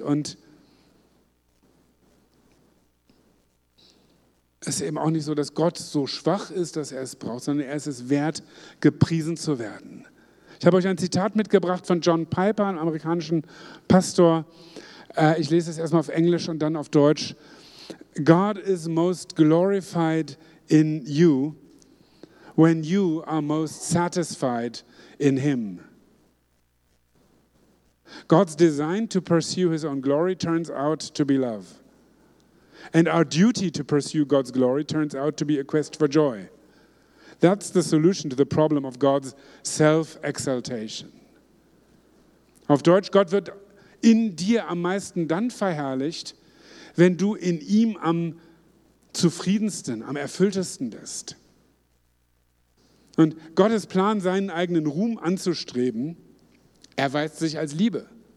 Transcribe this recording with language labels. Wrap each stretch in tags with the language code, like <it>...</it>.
<de>Und es ist eben auch nicht so, dass Gott so schwach ist, dass er es braucht, sondern er ist es wert, gepriesen zu werden. Ich habe euch ein Zitat mitgebracht von John Piper, einem amerikanischen Pastor. Ich lese es erstmal auf Englisch und dann auf Deutsch.</de> <en>God is most glorified in you, when you are most satisfied in him. God's design to pursue his own glory turns out to be love. And our duty to pursue God's glory turns out to be a quest for joy. That's the solution to the problem of God's self-exaltation.</en> <de>Auf Deutsch, Gott wird in dir am meisten dann verherrlicht, wenn du in ihm am zufriedensten, am erfülltesten bist. Und Gottes Plan, seinen eigenen Ruhm anzustreben, erweist sich als Liebe.</de>